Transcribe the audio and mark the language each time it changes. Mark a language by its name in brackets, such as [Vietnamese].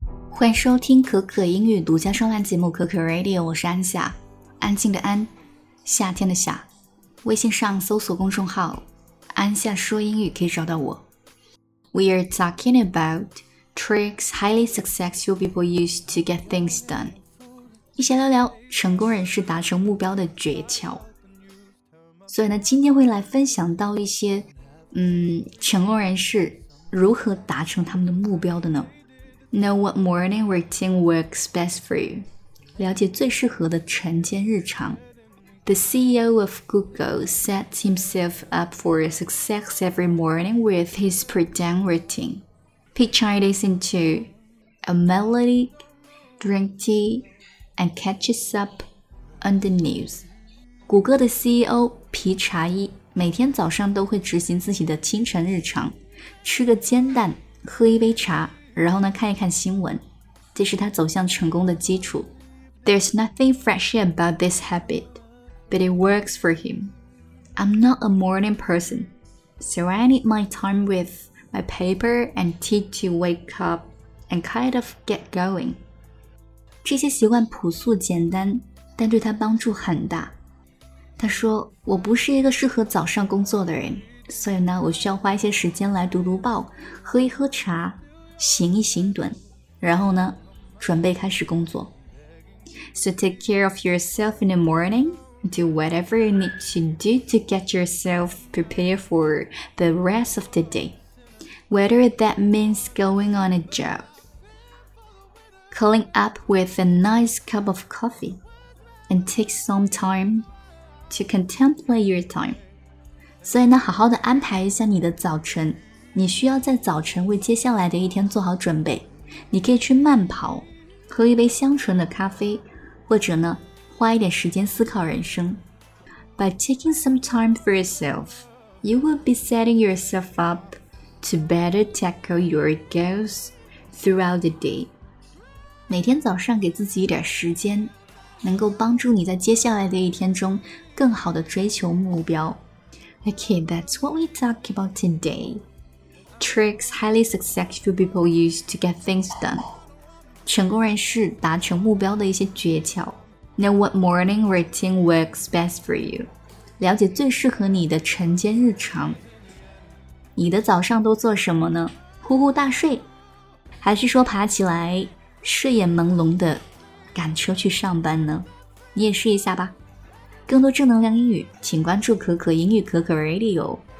[Chinese] 欢迎收听可可英语独家双栏节目可可 Radio， 我是安夏，安静的安，夏天的夏。微信上搜索公众号安夏说英语可以找到我。 [English] We are talking about tricks highly successful people use to get things done， [Chinese] 一起聊聊成功人士达成目标的诀窍。所以呢，今天会来分享到一些成功人士如何达成他们的目标的呢？ [English] Know what morning routine works best for you. [Chinese] 了解最适合的晨间日常。 [English] The CEO of Google sets himself up for success every morning with his pre-dawn routine. Pitch ideas into a melody, drink tea, and catches up on the news. [Chinese] 谷歌的 CEO 皮查伊每天早上都会执行自己的清晨日常，吃个煎蛋，喝一杯茶。然后呢，看一看新闻，这是他走向成功的基础。 [English] There's nothing fresh about this habit, but it works for him. I'm not a morning person, so I need my time with my paper and tea to wake up and kind of get going. [Chinese] 这些习惯朴素简单，但对他帮助很大。他说，我不是一个适合早上工作的人，所以呢，我需要花一些时间来读读报，喝一喝茶。行一行盹，然后呢，准备开始工作。 [English] So take care of yourself in the morning. Do whatever you need to do to get yourself prepared for the rest of the day. Whether that means going on a job, curling up with a nice cup of coffee, and take some time to contemplate your time. [Chinese] 所以呢，好好的安排一下你的早晨。你需要在早晨为接下来的一天做好准备。你可以去慢跑，喝一杯香醇的咖啡，或者呢，花一点时间思考人生。 [English] By taking some time for yourself, you will be setting yourself up to better tackle your goals throughout the day. [Chinese] 每天早上给自己一点时间，能够帮助你在接下来的一天中更好地追求目标。 [English] Okay, that's what we talk about today. Tricks highly successful people use to get things done. [Chinese] 成功人士达成目标的一些诀窍。 [English] Know what morning routine works best for you. [Chinese] 了解最适合你的晨间日常。你的早上都做什么呢？呼呼大睡？还是说爬起来，睡眼朦胧的赶车去上班呢？你也试一下吧。更多正能量英语，请关注可可英语可可 Radio。